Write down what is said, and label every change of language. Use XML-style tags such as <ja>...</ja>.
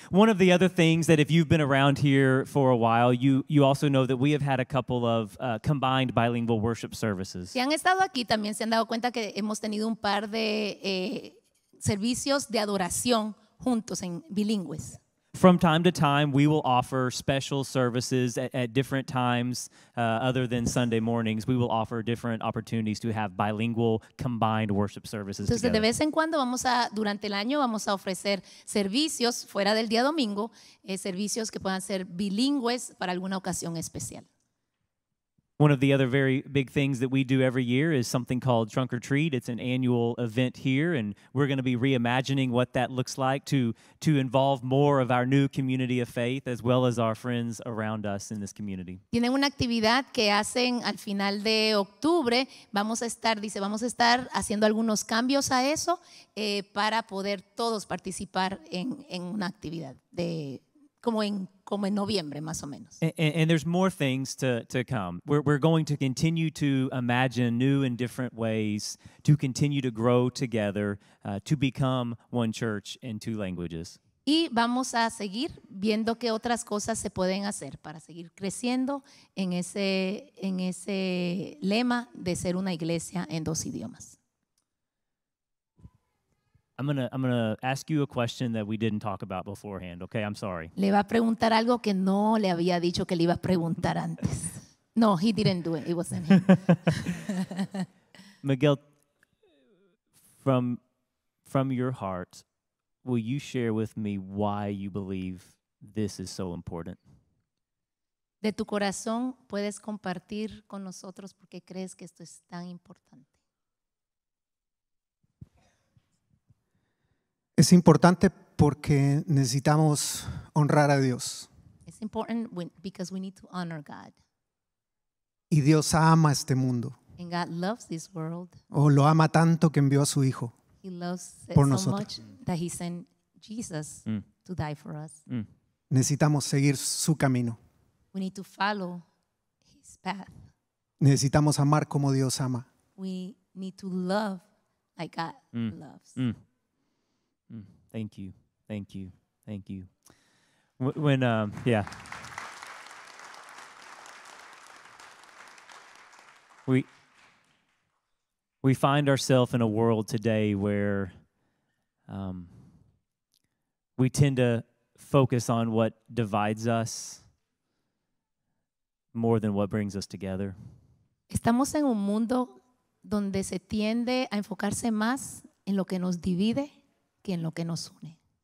<en>One of the other things that if you've been around here for a while, you also know that we have had a couple of combined bilingual worship services.</en> <es>Si han estado aquí, también se han dado cuenta que hemos tenido un par de servicios de adoración juntos en bilingües.</es> <en>From time to time, we will offer special services at different times other than Sunday mornings. We will offer different opportunities to have bilingual combined worship services.</en> <es>Entonces,</es> <en>together.</en> <es>De vez en cuando, durante el año, vamos a ofrecer servicios fuera del día domingo, servicios que puedan ser bilingües para alguna ocasión especial.</es> <en>One of the other very big things that we do every year is something called Trunk or Treat. It's an annual event here, and we're going to be reimagining what that looks like to involve more of our new community of faith as well as our friends around us in this community.</en> <es>Tienen una actividad que hacen al final de octubre. Vamos a estar haciendo algunos cambios a eso para poder todos participar en una actividad de como en noviembre, más o menos.</es> <en>And there's more things to come. We're going to continue to imagine new and different ways to continue to grow together, to become one church in two languages.</en> <es>Y vamos a seguir viendo qué otras cosas se pueden hacer para seguir creciendo en ese lema de ser una iglesia en dos idiomas.</es> <en>I'm gonna ask you a question that we didn't talk about beforehand. Okay, I'm sorry.</en> <es>Le va a preguntar algo que no le había dicho que le iba a preguntar antes.</es> <en>No, he didn't do it. It wasn't him. Miguel, from your heart, will you share with me why you believe this is so important?</en> <es>De tu corazón, puedes compartir con nosotros por qué crees que esto es tan importante. Es importante porque necesitamos honrar a Dios.</es> <en>It's important because we need to honor God.</en> <es>Y Dios ama este mundo.</es> <en>And God loves this world.</en> <es>O lo ama tanto que envió a su hijo.</es> <en>He loves</en> <es>por</es> <en>it</en> <es>nosotros.</es> <en>So much that he sent Jesus to die for us. Mm.</en> <es>Necesitamos seguir su camino.</es> <en>We need to follow his path.</en> <es>Necesitamos amar como Dios ama.</es> <en>We need to love like God loves. Thank you. Thank you. Thank you. When yeah. We find ourselves in a world today where we tend to focus on what divides us more than what brings us together.</en> <es>Estamos en un mundo donde se tiende a enfocarse más en lo que nos divide que en lo que nos une.</es>